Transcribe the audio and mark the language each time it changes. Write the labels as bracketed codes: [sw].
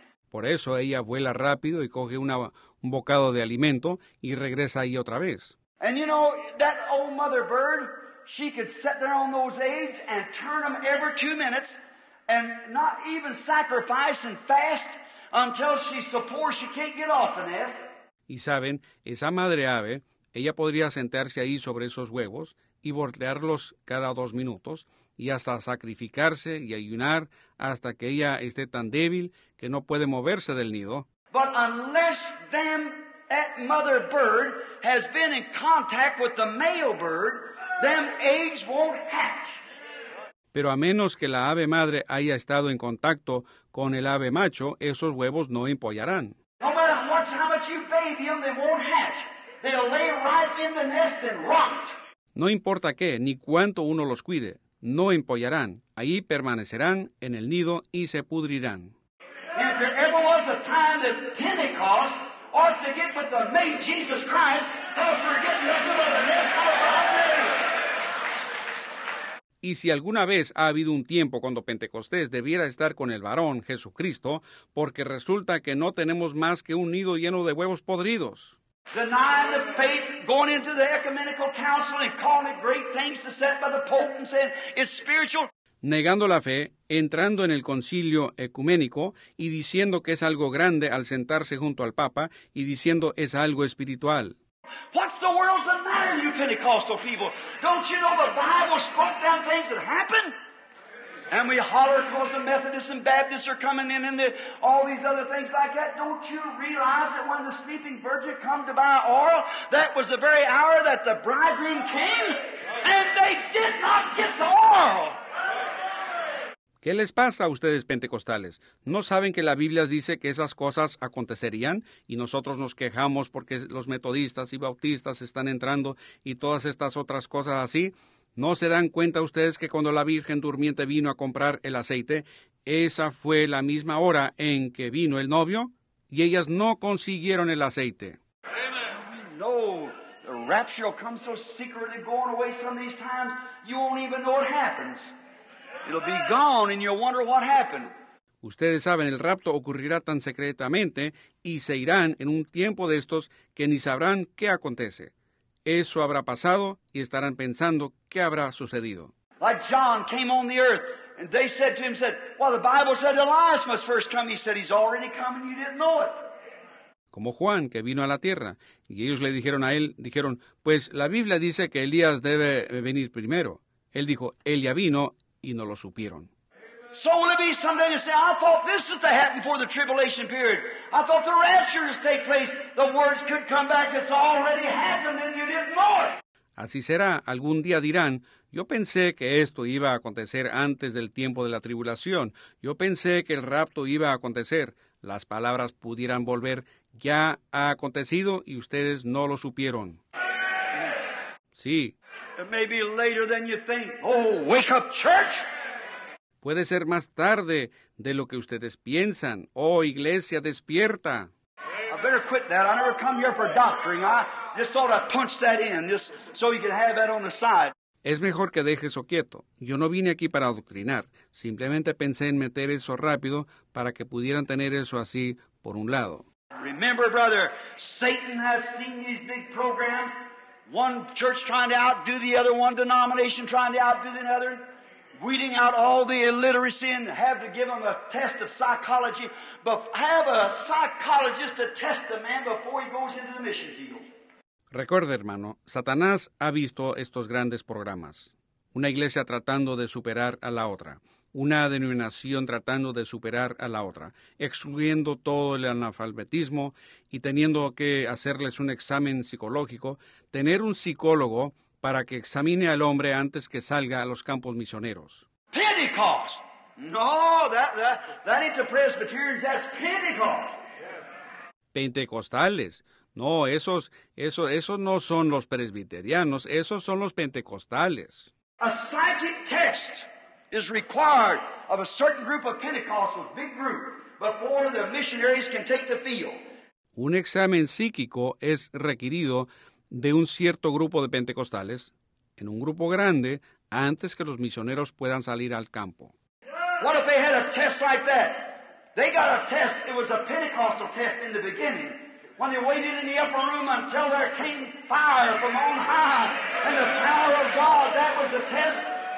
[es] Por eso ella vuela rápido y coge un bocado de alimento y regresa ahí otra vez. [en] And you know, that old mother bird, she could sit there on those eggs and turn them every 2 minutes and not even sacrifice and fast until she's so poor she can't get off the nest. [es] Y saben, esa madre ave, ella podría sentarse ahí sobre esos huevos y voltearlos cada 2 minutos y hasta sacrificarse y ayunar hasta que ella esté tan débil que no puede moverse del nido. [en] But unless that mother bird has been in contact with the male bird, them eggs won't hatch. [es] Pero a menos que la ave madre haya estado en contacto con el ave macho, esos huevos no empollarán. [en] No matter how much you baby them, they won't hatch. They'll lay right in the nest and rot. [es] No importa qué, ni cuánto uno los cuide, no empollarán. Ahí permanecerán en el nido y se pudrirán. [en] If there ever was a time that Pentecost ought to get with the mate Jesus Christ, how's for getting up to the nest out of the hotbed? [es] Y si alguna vez ha habido un tiempo cuando Pentecostés debiera estar con el varón Jesucristo, porque resulta que no tenemos más que un nido lleno de huevos podridos. [en] Denying the faith, going into the ecumenical council and calling it great things to set by the Pope and saying it's spiritual. [es] Negando la fe, entrando en el concilio ecuménico y diciendo que es algo grande al sentarse junto al Papa y diciendo es algo espiritual. [en] What's the world's the matter, you Pentecostal people? Don't you know the Bible spoke down things that happen? And we holler because the Methodists and Baptists are coming in and all these other things like that. Don't you realize that when the sleeping virgin come to buy oil, that was the very hour that the bridegroom came and they did not get the oil? [es] ¿Qué les pasa a ustedes, pentecostales? ¿No saben que la Biblia dice que esas cosas acontecerían? Y nosotros nos quejamos porque los metodistas y bautistas están entrando y todas estas otras cosas así. ¿No se dan cuenta ustedes que cuando la Virgen Durmiente vino a comprar el aceite, esa fue la misma hora en que vino el novio y ellas no consiguieron el aceite? No. [en] The rapture will come so secretly, going away some of these times, you won't even know it happens. It'll be gone and you'll wonder what happened. [es] Ustedes saben, el rapto ocurrirá tan secretamente y se irán en un tiempo de estos que ni sabrán qué acontece. Eso habrá pasado y estarán pensando qué habrá sucedido. [en] Like John came on the earth and they said to him, said, well, the Bible said Elias must first come. He said, he's already come and you didn't know it. [es] Como Juan, que vino a la tierra. Y ellos le dijeron a él, dijeron, pues la Biblia dice que Elías debe venir primero. Él dijo, él ya vino y no lo supieron. [en] So will it be someday to say, I thought this is to happen before the tribulation period. I thought the rapture would take place. The words could come back. It's already happened and you didn't know it. [es] Así será. Algún día dirán, yo pensé que esto iba a acontecer antes del tiempo de la tribulación. Yo pensé que el rapto iba a acontecer. Las palabras pudieran volver. Ya ha acontecido y ustedes no lo supieron. Sí. [en] It may be later than you think. Oh, wake up, church! [es] Puede ser más tarde de lo que ustedes piensan. Oh, iglesia, despierta. [en] I better quit that. I never come here for doctoring. I just thought I'd punch that in just so you can have that on the side. [es] Es mejor que deje eso quieto. Yo no vine aquí para adoctrinar. Simplemente pensé en meter eso rápido para que pudieran tener eso así por un lado. [en] Remember, brother, Satan has seen these big programs. One church trying to outdo the other, one denomination trying to outdo the other. Weeding out all the illiteracy and have to give them a test of psychology. But have a psychologist to test the man before he goes into the mission field. [es] Recuerde, hermano, Satanás ha visto estos grandes programas. Una iglesia tratando de superar a la otra. Una denominación tratando de superar a la otra, excluyendo todo el analfabetismo y teniendo que hacerles un examen psicológico, tener un psicólogo para que examine al hombre antes que salga a los campos misioneros. [en] Pentecost. No, that ain't the Presbyterians, that's Pentecost. [es] Pentecostales. No, esos no son los presbiterianos, esos son los pentecostales. [en] A psychic test is required of a certain group of Pentecostals, big group, before the missionaries can take the field. [es] Un examen psíquico es requerido de un cierto grupo de pentecostales, en un grupo grande, antes que los misioneros puedan salir al campo. [en] What if they had a test like that? They got a test, it was a Pentecostal test in the beginning, when they waited in the upper room until there came fire from on high, and the power of God, that was the test.